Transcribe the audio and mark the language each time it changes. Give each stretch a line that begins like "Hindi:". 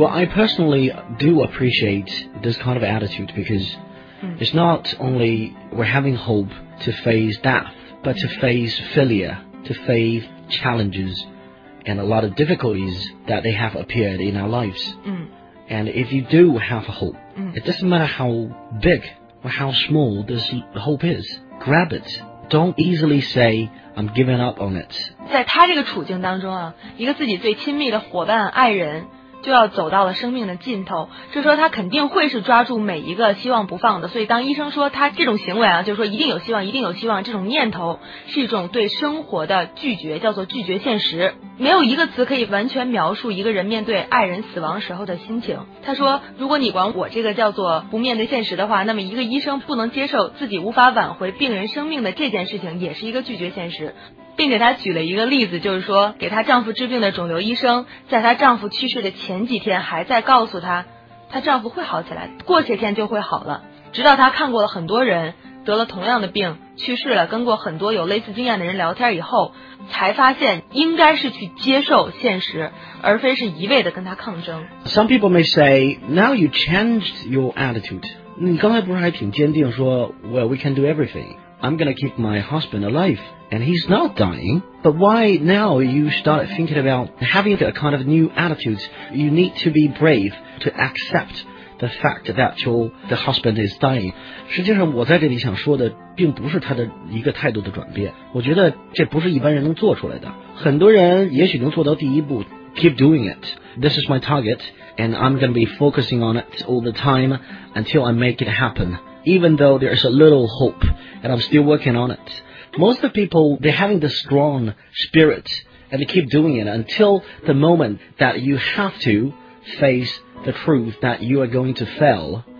English: Well, I personally do appreciate this kind of attitude because it's not only we're having hope to face death, but to face failure, to face challenges and a lot of difficulties that they have appeared in our lives. And if you do have a hope, it doesn't matter how big or how small this hope is, grab it. Don't easily say, I'm giving up on it.
Chinese: 在他这个处境当中啊，一个自己最亲密的伙伴、爱人就要走到了生命的尽头，这时候他肯定会是抓住每一个希望不放的。所以当医生说他这种行为啊，就是说一定有希望，一定有希望，这种念头是一种对生活的拒绝，叫做拒绝现实。没有一个词可以完全描述一个人面对爱人死亡时候的心情。他说，如果你管我这个叫做不面对现实的话，那么一个医生不能接受自己无法挽回病人生命的这件事情，也是一个拒绝现实。并给她举了一个例子，就是说给她丈夫治病的肿瘤医生，在她丈夫去世的前几天还在告诉她，她丈夫会好起来，过些天就会好了。直到她看过了很多人得了同样的病去世了，跟过很多有类似经验的人聊天以后，才发现应该是去接受现实，而非是一味的跟她抗争。
English: Some people may say, now you changed your attitude.
Chinese: 你刚才不是还挺坚定说
English: Well, we can do everything. I'm gonna keep my husband aliveAnd he's not dying, but why now you start thinking about having a kind of new attitude? You need to be brave to accept the fact that the husband is dying.
Chinese: 实际上我在这里想说的并不是他的一个态度的转变，我觉得这不是一般人能做出来的。很多人也许能做到第一步，
English: keep doing it. This is my target, and I'm going to be focusing on it all the time until I make it happen. Even though there's a little hope, and I'm still working on it. Most of the people, they're having this strong spirit, and they keep doing it until the moment that you have to face the truth that you are going to fail.